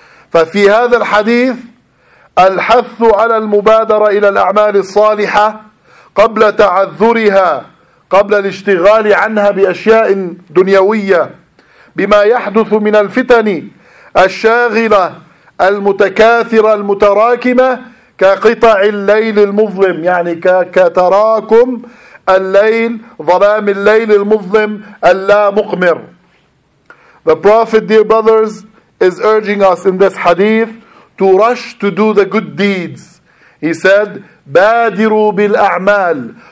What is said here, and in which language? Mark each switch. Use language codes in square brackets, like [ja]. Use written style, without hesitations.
[ar] ففي هذا الحديث الحث على المبادرة إلى الأعمال الصالحة قبل تعذرها قبل الاشتغال عنها بأشياء دنيوية بما يحدث من الفتن الشاغلة المتكاثرة المتراكمة كقطع الليل المظلم يعني كتراكم الليل ظلام الليل المظلم اللا مقمر. [en] The Prophet, dear brothers, is urging us in this hadith to rush to do the good deeds. He said, [ar] بادروا بالأعمال.